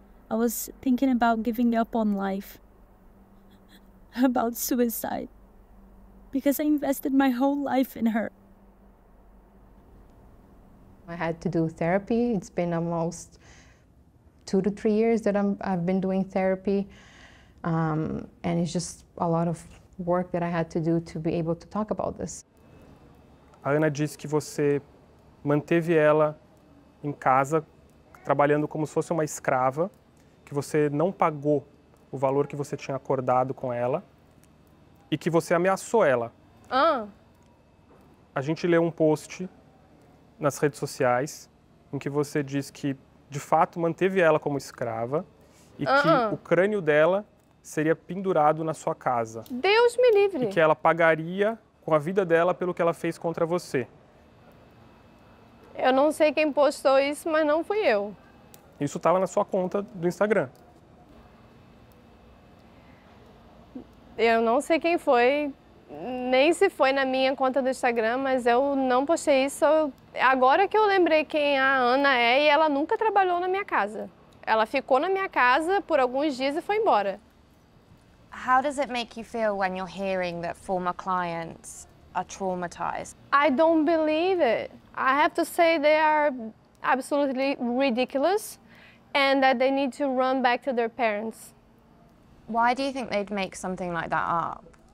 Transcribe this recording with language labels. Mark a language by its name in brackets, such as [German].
[English] I was thinking about giving up on life, about suicide, because I invested my whole life in her. I had to do therapy. It's been almost 2 to 3 years that I've been doing therapy. And it's just a lot of work that I had to do to be able to talk about this. [Portuguese] Ana disse que você manteve ela em casa, trabalhando como se fosse uma escrava, que você não pagou o valor que você tinha acordado com ela e que você ameaçou ela. Ah. A gente leu um post nas redes sociais em que você diz que, de fato, manteve ela como escrava e que o crânio dela seria pendurado na sua casa. Deus me livre! E que ela pagaria com a vida dela pelo que ela fez contra você. Eu não sei quem postou isso, mas não fui eu. Isso estava na sua conta do Instagram. Eu não sei quem foi, nem se foi na minha conta do Instagram, mas eu não postei isso. Agora que eu lembrei quem a Ana é, e ela nunca trabalhou na minha casa. Ela ficou na minha casa por alguns dias e foi embora. [English] How does it make you feel when you're hearing that former clients are traumatized? I don't believe it. I have to say they are absolutely ridiculous and that they need to run back to their parents. Why do you think they'd make something like that up?